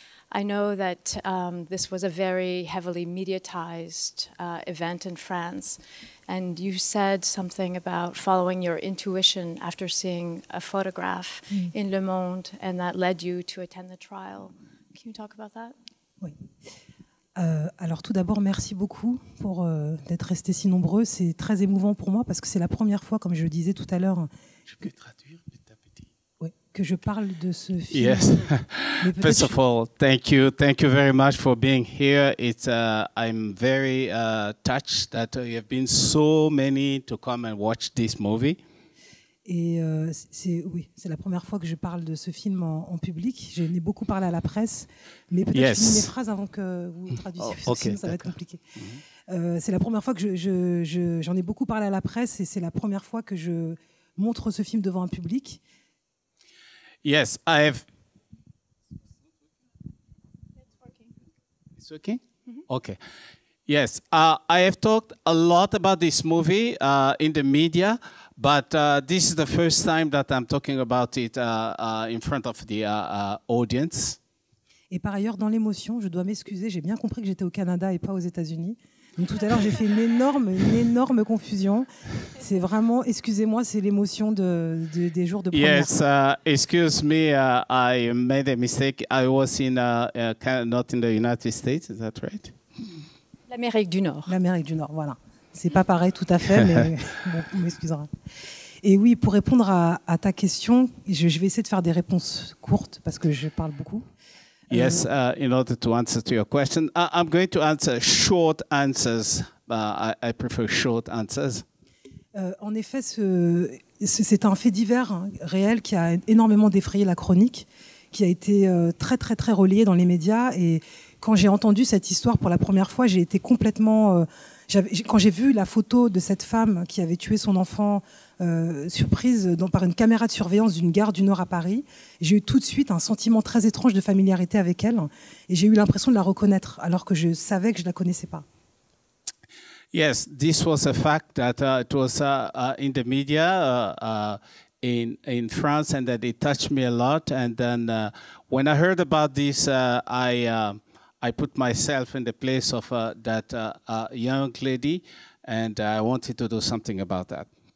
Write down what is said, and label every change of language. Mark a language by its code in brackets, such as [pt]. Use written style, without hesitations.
[en] I know that this was a very heavily mediatized event in France, and you said something about following your intuition after seeing a photograph in Le Monde, and that led you to attend the trial. Can you talk about that? [fr] Oui. Alors tout d'abord, merci beaucoup pour d'être resté si nombreux. C'est très émouvant pour moi parce que c'est la première fois, comme je le disais tout à l'heure. Je peux traduire. Que je parle de ce film. [en] Yes. First of all, thank you. Thank you very much for being here. It's I'm very touched that you have been so many to come and watch this movie. [fr] Et c'est la première fois que je parle de ce film en public. Je n'ai beaucoup parlé à la presse, mais peut-être [en] yes. [fr] Finis mes phrases avant que vous traduisiez ce film, ça va être compliqué. Mm-hmm. C'est la première fois que j'en ai beaucoup parlé à la presse et c'est la première fois que je montre ce film devant un public. [en] Yes, I have. It's working. It's working? Mm-hmm. Okay. Yes, I have talked a lot about this movie in the media, but this is the first time that I'm talking about it in front of the audience. [fr] Et par ailleurs, dans l'émotion, je dois m'excuser, j'ai bien compris que j'étais au Canada et pas aux États-Unis. Donc tout à l'heure, j'ai fait une énorme confusion. C'est vraiment, excusez-moi, c'est l'émotion des jours de première. [en] Yes, excuse me, I made a mistake. I was in not in the United States, is that right? [fr] L'Amérique du Nord. L'Amérique du Nord, voilà. C'est pas pareil tout à fait, mais bon, on m'excusera. Et oui, pour répondre à ta question, je vais essayer de faire des réponses courtes parce que je parle beaucoup. [en] Yes, in order to answer to your question, I'm going to answer short answers. I prefer short answers. [fr] En effet, c'est un fait divers, hein, réel, qui a énormément défrayé la chronique, qui a été très, très, très relayé dans les médias. Et quand j'ai entendu cette histoire pour la première fois, j'ai été complètement... quand j'ai vu la photo de cette femme qui avait tué son enfant, surprise par une caméra de surveillance d'une gare du Nord à Paris, j'ai eu tout de suite un sentiment très étrange de familiarité avec elle. Et j'ai eu l'impression de la reconnaître, alors que je savais que je ne la connaissais pas. [en] Yes, this was a fact that it was in the media in France, and that it touched me a lot. And then when I heard about this, I put myself in the place of that young lady, and I wanted to do something about that.